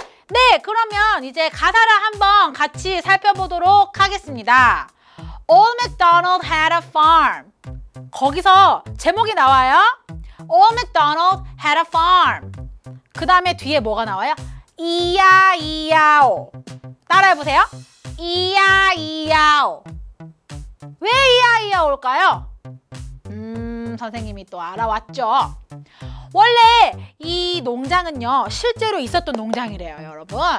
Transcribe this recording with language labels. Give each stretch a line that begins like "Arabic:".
Korean: 네, 그러면 이제 가사를 한번 같이 살펴보도록 하겠습니다.
English: Old MacDonald had a farm.
Korean: 거기서 제목이 나와요.
English: Old MacDonald had a farm.
Korean: 그 다음에 뒤에 뭐가 나와요? 이야이야오. 따라해보세요. 이야이야오. 왜 이야이야 올까요? 선생님이 또 알아왔죠. 원래 이 농장은요, 실제로 있었던 농장이래요, 여러분.